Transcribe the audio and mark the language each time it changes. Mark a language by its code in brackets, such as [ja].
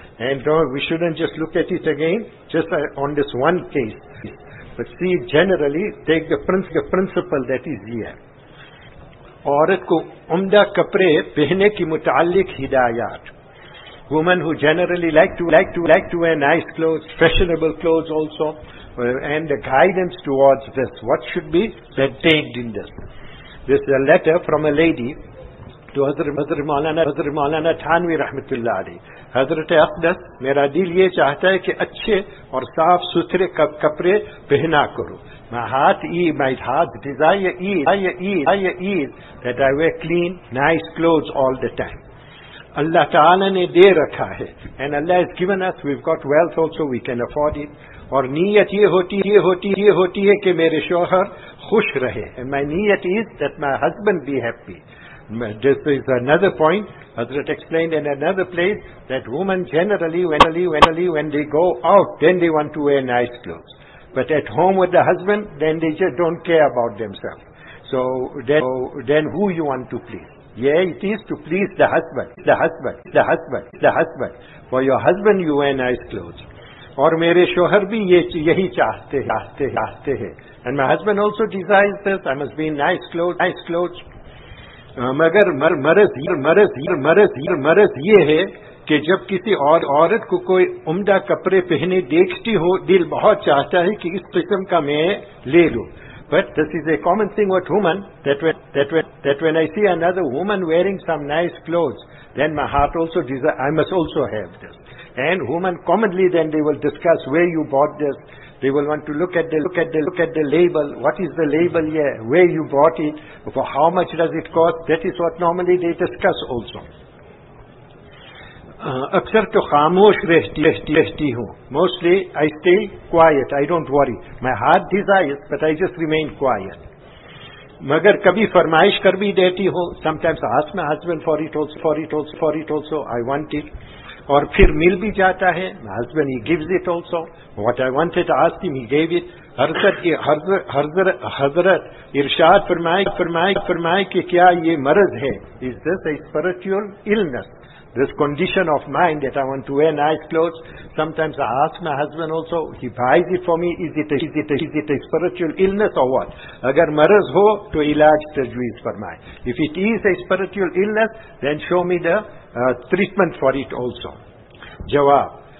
[en] And we shouldn't just look at it again, just on this one case. But see, generally, take the principle that is here. [ur] عورت کو عمدہ کپڑے پہنے کی متعلق ہدایات. [en] Women who generally like to wear nice clothes, fashionable clothes also, and the guidance towards this. What should be contained in this? This is a letter from a lady to Hazrat Maulana Thanvi Rahmatullah Ali. [ur] حضرت اقدس, میرا دل یہ چاہتا ہے کہ اچھے اور صاف ستھرے کپڑے پہنا کرو. [en] My heart desire is that I wear clean, nice clothes all the time. Allah Ta'ala [ur] نے دے رکھا ہے, [en] and Allah has given us, we've got wealth also, we can afford it. [ur] اور نیت یہ ہوتی ہے کہ میرے شوہر خوش رہے. [en] And my niyat is that my husband be happy. This is another point. Hazrat explained in another place that women generally when they go out, then they want to wear nice clothes. But at home with the husband, then they just don't care about themselves. So then who you want to please? Yeah, it is to please the husband. For your husband, you wear nice clothes. [ur] Aur mere shohar bhi yehi chahte hai. [en] And my husband also desires this. I must be in nice clothes. [ur] مگر مرض یہ ہے کہ جب کسی اور عورت کو کوئی عمدہ کپڑے پہنے دیکھتی ہو, دل بہت چاہتا ہے کہ اس قسم کا میں لے لوں. [en] But this is a common thing with women, that when I see another woman wearing some nice clothes, then my heart also desire, I must also have this. And women commonly then they will discuss where you bought this. They will want to look at the label. What is the label here? Where you bought it? For how much does it cost? That is what normally they discuss also. [ur] اکثر تو خاموش رہتی ہوں. [en] Mostly I stay quiet. I don't worry. My heart desires, but I just remain quiet. [ur] مگر کبھی فرمائش کر بھی دیتی ہوں. [en] Sometimes I ask my husband for it also. I want it. [ur] اور پھر مل بھی جاتا ہے. [en] My husband, he gives it also. What I wanted, I asked him, he gave it. [ur] حضرت ارشاد فرمائے کہ کیا یہ مرض ہے. [en] Is this a spiritual illness? This condition of mine that I want to wear nice clothes. Sometimes I ask my husband also, he buys it for me. Is it a spiritual illness or what? [ur] اگر مرض ہو تو علاج تجویز فرمائے. [en] If it is a spiritual illness, then show me the treatment for it also. Jawab.